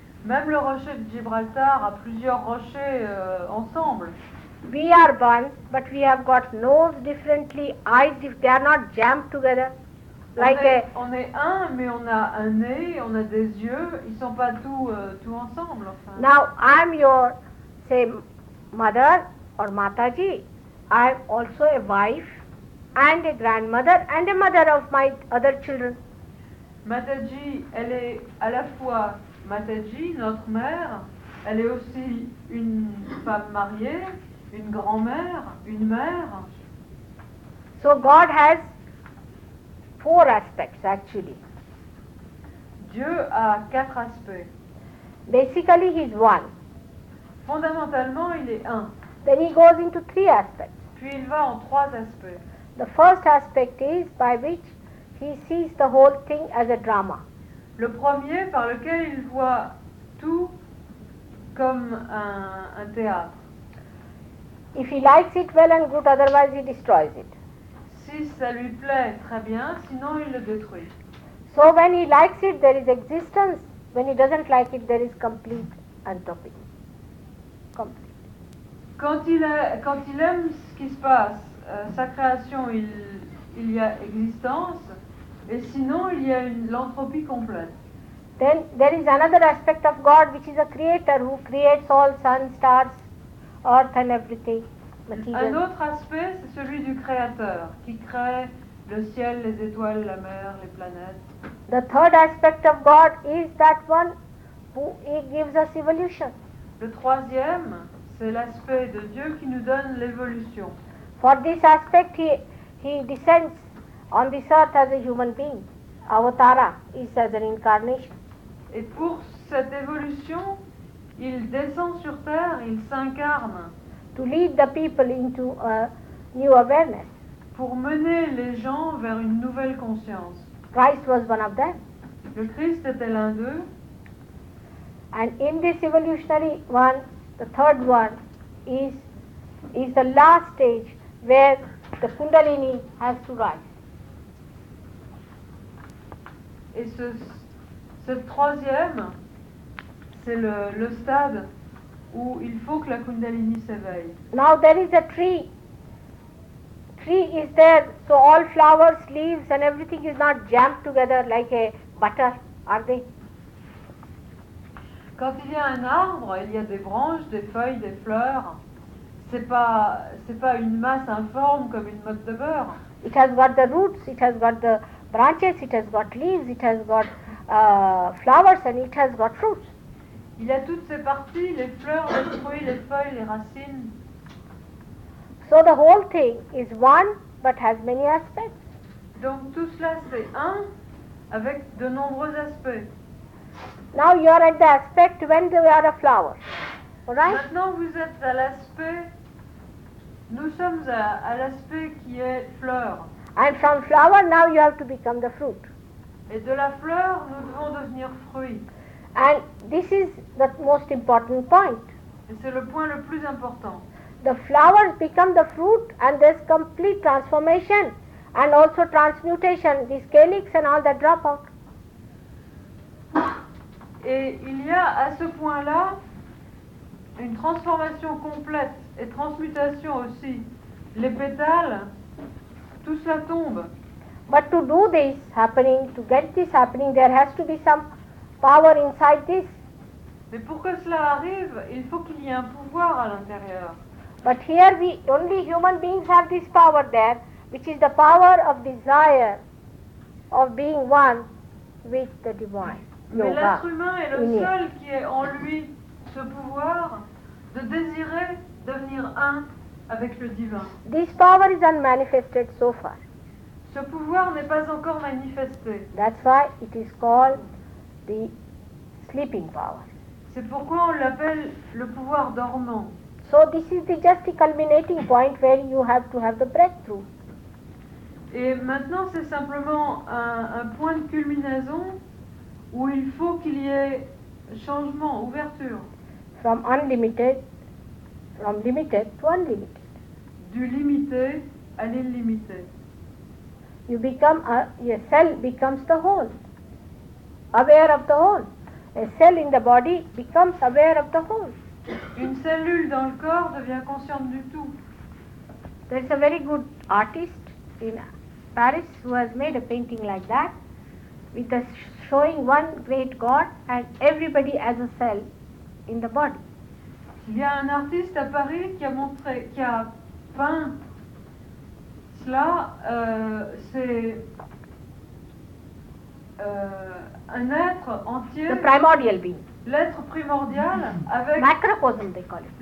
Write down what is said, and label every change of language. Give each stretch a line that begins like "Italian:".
French: Même le rocher de Gibraltar a plusieurs rochers ensemble.
English: We are one, but we have got nose differently, eyes if they are not jammed together.
French: On est un, mais on a un nez, on a des yeux, ils sont pas tout ensemble. Enfin.
English: Now, I'm your, say, mother or Mataji. I'm also a wife and a grandmother and a mother of my other children.
French: Mataji, elle est à la fois Mataji, notre mère, elle est aussi une femme mariée, une grand-mère, une mère.
English: So God has four aspects actually.
French: Dieu a quatre aspects.
English: Basically he is one.
French: Fondamentalement il est un.
English: Then he goes into three aspects.
French: Puis il va en trois aspects.
English: The first aspect is by which he sees the whole thing as a drama.
French: Le premier par lequel il voit tout comme un théâtre.
English: If he likes it well and good, otherwise he destroys it.
French: Si ça lui plaît très bien, sinon il le détruit.
English: So when he likes it, there is existence. When he doesn't like it, there is complete entropy. Complete.
French: Quand il aime ce qui se passe, sa création, il y a existence. Et sinon, il y a l'entropie complète.
English: Then there is another aspect of God, which is a creator who creates all sun, stars, earth and everything. Material.
French: Un autre aspect, c'est celui du créateur, qui crée le ciel, les étoiles, la mer, les planètes.
English: The third aspect of God is that one who he gives us evolution.
French: Le troisième, c'est l'aspect de Dieu qui nous donne l'évolution.
English: For this aspect, he descends on this earth as a human being. Avatara is as an incarnation.
French: Et pour cette évolution, il descend sur terre, il s'incarne.
English: To lead the people into a new awareness.
French: Pour mener les gens vers une nouvelle conscience.
English: Christ was one of them.
French: Le Christ était l'un d'eux.
English: And in this evolutionary one, the third one, is the last stage where the Kundalini has to rise.
French: Et ce troisième, c'est le stade où il faut que la Kundalini s'éveille.
English: Now there is a tree. Tree is there, so all flowers, leaves and everything is not jammed together like a butter, are they?
French: Quand il y a un arbre, il y a des branches, des feuilles, des fleurs. C'est pas une masse informe comme une motte de beurre.
English: It has got the roots, it has got the branches, it has got leaves, it has got flowers and it has got fruits.
French: Il a toutes ses parties, les fleurs, les fruits, les feuilles, les racines.
English: So the whole thing is one but has many aspects.
French: Donc tout cela c'est un avec de nombreux aspects.
English: Now you are at the aspect when we are a flower. Right?
French: Maintenant vous êtes à l'aspect, nous sommes à l'aspect qui est fleur.
English: And from flower, now you have to become the fruit.
French: Et de la fleur, nous devons devenir fruit.
English: And this is the most important point.
French: Et c'est le point le plus important.
English: The flower becomes the fruit and there's complete transformation and also transmutation, this calyx and all that drop out.
French: Et il y a à ce point-là une transformation complète et transmutation aussi. Les pétales, tout cela tombe.
English: But to do this happening, to get this happening, there has to be some power inside this.
French: Mais pour que cela arrive, il faut qu'il y ait un pouvoir à l'intérieur.
English: But here we only human beings have this power there, which is the power of desire of being one with the divine.
French: Mais yoga, l'être humain est le seul qui ait en lui ce pouvoir de désirer devenir un avec le divin.
English: This power is unmanifested so far.
French: Ce pouvoir n'est pas encore manifesté.
English: That's why it is called the sleeping power.
French: C'est pourquoi on l'appelle le pouvoir dormant.
English: So this is the just the culminating point where you have to have the breakthrough.
French: Et maintenant c'est simplement un point de culminaison où il faut qu'il y ait changement, ouverture.
English: From limited to unlimited.
French: Du limité à l'illimité.
English: You become a cell becomes the whole. Aware of the whole. A cell in the body becomes aware of the whole.
French: Une cellule dans le corps devient consciente du tout.
English: There's a very good artist in Paris who has made a painting like that, with the showing one great God and everybody as a cell in the body.
French: Il y a un artiste à Paris qui a peint cela. C'est un être entier.
English: The primordial being.
French: L'être primordial avec
English: macrocosme, they call it.